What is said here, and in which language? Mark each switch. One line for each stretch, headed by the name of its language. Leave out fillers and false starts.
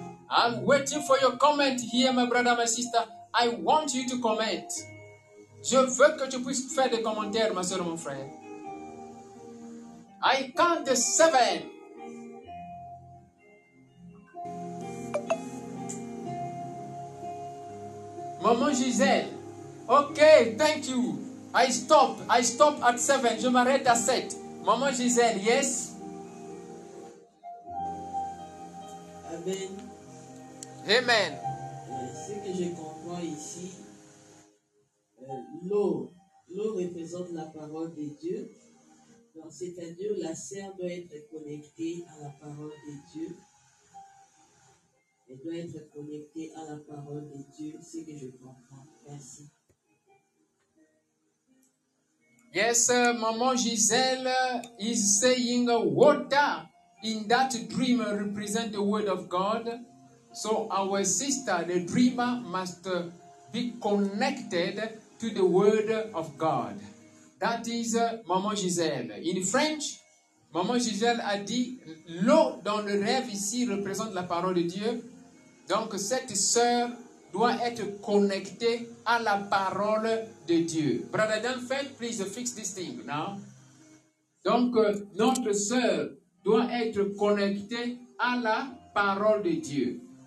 English: I'm waiting for your comment here, my brother, my sister. I want you to comment.
French: Je veux que tu puisses faire des commentaires, ma soeur, mon frère.
English: I count seven. Maman Gisèle. Ok, thank you. I stop at seven.
French: Je m'arrête à sept.
English: Maman Gisèle, yes? Amen. Amen.
French: Ce que je comprends ici, l'eau représente la parole de Dieu. Donc, c'est-à-dire la serre doit être connectée à la parole de Dieu. Elle doit être connectée à la parole de Dieu. Ce que je comprends. Merci.
English: Yes, Maman Gisèle is saying water in that dream represents the word of God. So our sister, the dreamer, must be connected to the word of God. That is Maman Gisèle. In French,
French: Maman Gisèle a dit, l'eau dans le rêve ici représente la parole de Dieu. Donc cette sœur doit être connectée à la parole de Dieu.
English: Brother Dan, please fix this thing now.
French: Donc notre sœur doit être connectée à la parole de Dieu.